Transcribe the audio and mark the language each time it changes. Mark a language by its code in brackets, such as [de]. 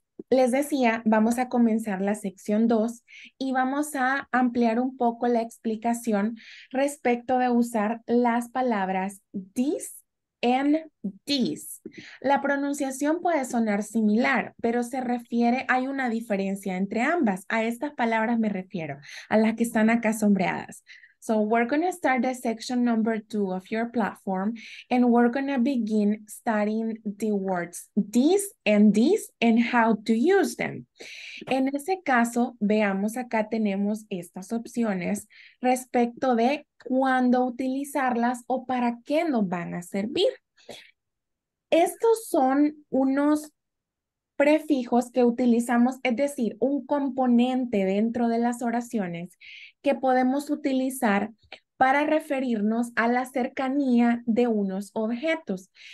[es] Les decía, vamos a comenzar la sección 2 y vamos a ampliar un poco la explicación respecto de usar las palabras this and this. La pronunciación puede sonar similar, pero se refiere, hay una diferencia entre ambas. A estas palabras me refiero, a las que están acá sombreadas. [en] So we're going to start the section number 2 of your platform and we're going to begin studying the words this and this and how to use them. [es] En ese caso, veamos acá tenemos estas opciones respecto de cuándo utilizarlas o para qué nos van a servir. Estos son unos prefijos que utilizamos, es decir, un componente dentro de las oraciones que podemos utilizar para referirnos a la cercanía de unos objetos.